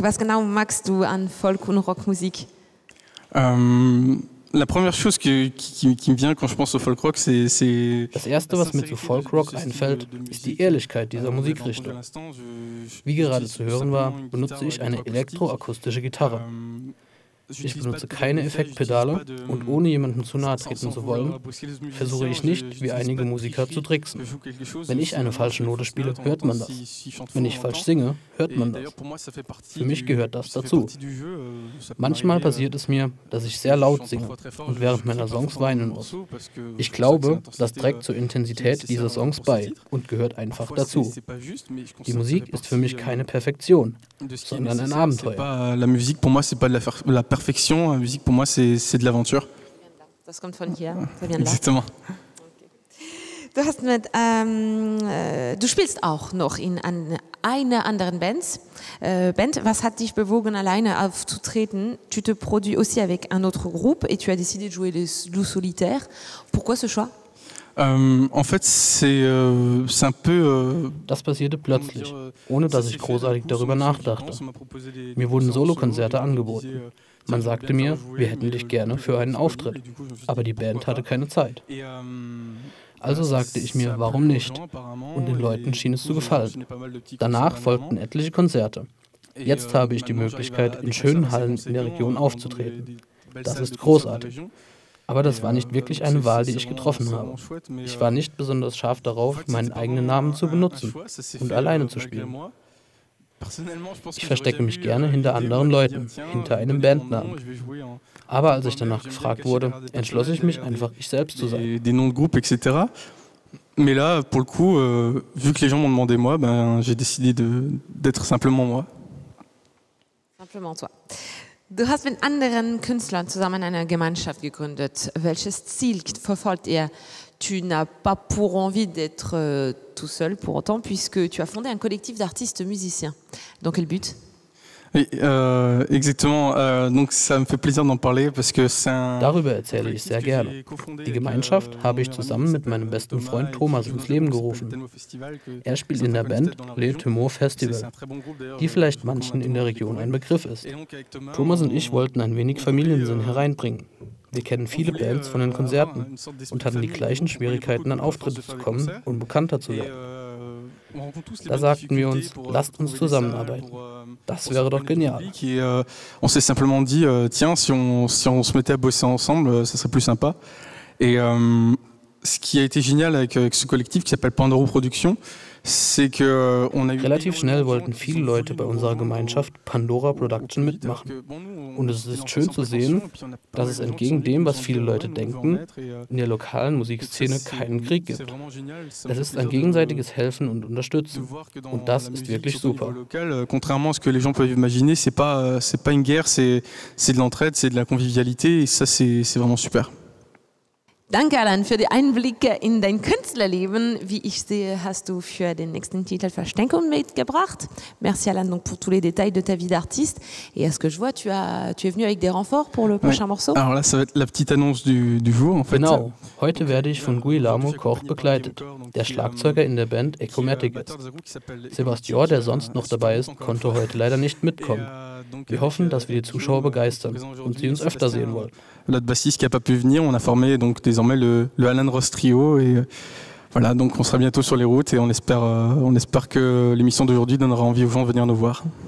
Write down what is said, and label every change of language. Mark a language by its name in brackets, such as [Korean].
[German] Was genau magst du an Folk und Rockmusik? [French] La première chose qui me vient quand je pense au folk rock, c'est [German] das erste, was mir zu Folk Rock einfällt, ist die Ehrlichkeit dieser Musikrichtung. Wie gerade zu hören war, benutze ich eine elektroakustische Gitarre. Ich benutze keine Effektpedale und ohne jemandem zu nahe treten zu wollen, versuche ich nicht, wie einige Musiker zu tricksen. Wenn ich eine falsche Note spiele, hört man das. Wenn ich falsch singe, hört man das. Für mich gehört das dazu. Manchmal passiert es mir, dass ich sehr laut singe und während meiner Songs weinen muss. Ich glaube, das trägt zur Intensität dieser Songs bei und gehört einfach dazu. Die Musik ist für mich keine Perfektion, sondern ein Abenteuer. [French] Perfection, la musique pour moi c'est de l'aventure. [German] Das kommt von hier. [French] Ça vient de là. Exactement. [German] Du hast mit du spielst auch noch in einer anderen Band, was hat dich bewogen alleine aufzutreten? [French] Tu te produis aussi avec un autre groupe et tu as décidé de jouer le solitaire. Pourquoi ce choix? [German] Das passierte plötzlich, ohne dass ich großartig darüber nachdachte. Mir wurden Solokonzerte angeboten. Man sagte mir, wir hätten dich gerne für einen Auftritt, aber die Band hatte keine Zeit. Also sagte ich mir, warum nicht? Und den Leuten schien es zu gefallen. Danach folgten etliche Konzerte. Jetzt habe ich die Möglichkeit, in schönen Hallen in der Region aufzutreten. Das ist großartig. Aber das war nicht wirklich eine Wahl, die ich getroffen habe. Ich war nicht besonders scharf darauf, meinen eigenen Namen zu benutzen und alleine zu spielen. Ich verstecke mich gerne hinter anderen Leuten, hinter einem Bandnamen. Aber als ich danach gefragt wurde, entschloss ich mich einfach, ich selbst zu sein. [French] Des noms de groupe, etc. Mais là, pour le coup, vu que les gens m'ont demandé moi, j'ai décidé d'être simplement moi. Simplement toi. [German] Du hast mit anderen Künstlern zusammen eine Gemeinschaft gegründet. Welches Ziel verfolgt ihr? [French] Tu n'as pas pour envie d'être tout seul pour autant, puisque tu as fondé un collectif d'artistes musiciens. Dans quel but? Oui, exactement. Donc ça me fait plaisir d'en parler parce que c'est un. [German] Darüber erzähle ich sehr gerne. Die Gemeinschaft habe ich zusammen mit meinem besten Freund Thomas ins Leben gerufen. Er spielt in der Band Le Tumor Festival, die vielleicht manchen in der Region ein Begriff ist. Thomas und ich wollten ein wenig Familiensinn hereinbringen. Wir kennen viele Bands von den Konzerten und hatten die gleichen Schwierigkeiten, an Auftritte zu kommen und bekannter zu werden. Da sagten wir uns, lasst uns zusammenarbeiten. Das wäre doch genial. [French] On s'est simplement dit, tiens, si on se mettait à bosser ensemble, ça serait plus sympa. Et ce qui a été génial avec ce collectif qui s'appelle Pandoro Productions, c'est que on a eu [German] relativ schnell wollten viele Leute bei unserer Gemeinschaft Pandora Production mitmachen. Und es ist schön zu sehen, dass es entgegen dem, was viele Leute denken, in der lokalen Musikszene keinen Krieg gibt. Es ist ein gegenseitiges Helfen und Unterstützen. Und das ist wirklich super. [French] Contrairement à ce que les gens peuvent imaginer, c'est pas une guerre, c'est de l'entraide, c'est de la convivialité et ça c'est vraiment super. [German] Danke, Alan, für die Einblicke in dein Künstlerleben. Wie ich sehe, hast du für den nächsten Titel Verstärkung mitgebracht. [French] Merci, Alan, donc pour tous les détails de ta vie d'artiste. Et à ce que je vois, tu es venu avec des renforts pour le prochain morceau. Alors là, ça va être la petite annonce du jour, en fait. [German] Genau. Heute werde ich von Guillermo Koch begleitet, der Schlagzeuger in der Band Echomatic ist. Sebastian, der sonst noch dabei ist, konnte heute leider nicht mitkommen. Wir hoffen, dass wir die Zuschauer begeistern und sie uns öfter sehen wollen. [French] Notre bassiste qui a pas pu venir, on a formé donc désormais le Alan Ross Trio et voilà, donc on sera bientôt sur les routes et on espère que l'émission d'aujourd'hui donnera envie aux gens de venir nous voir.